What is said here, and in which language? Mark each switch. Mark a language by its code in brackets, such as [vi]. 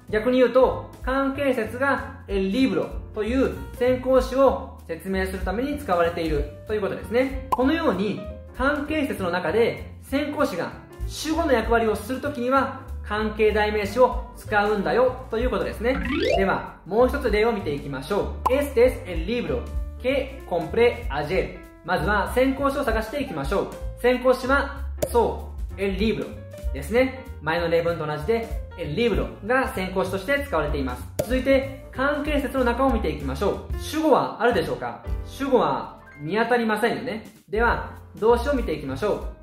[ja] 逆に言うと関係節が el libro という先行詞を説明するために使われているということですね。このように関係節の中で先行詞が主語の役割をするときには関係代名詞を使うんだよということですね。ではもう一つ例を見ていきましょう。 [es] Este es el libro que compré ayer。 [ja] まずは先行詞を探していきましょう。先行詞はそう、el libro ですね。前の例文と同じで el libro が先行詞として使われています。続いて関係節の中を見ていきましょう。主語はあるでしょうか？主語は見当たりませんよね。では動詞を見ていきましょう。